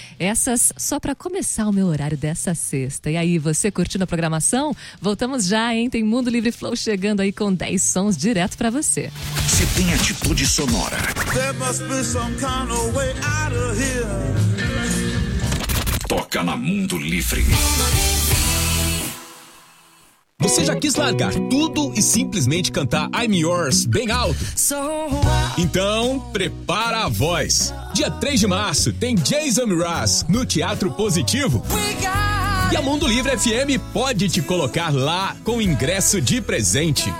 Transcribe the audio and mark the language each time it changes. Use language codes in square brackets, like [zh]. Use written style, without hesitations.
[pt] Essas só pra começar o meu horário dessa sexta. E aí, você curtindo a programação? Voltamos já, hein? Tem Mundo Livre Flow chegando aí com 10 sons direto pra você. Se tem atitude sonora. [en] There must be some kind of way out of here. [pt] Toca na Mundo Livre. Você já quis largar tudo e simplesmente cantar I'm Yours bem alto? Então, prepara a voz. Dia 3 de março tem Jason Mraz no Teatro Positivo. E a Mundo Livre FM pode te colocar lá com ingresso de presente.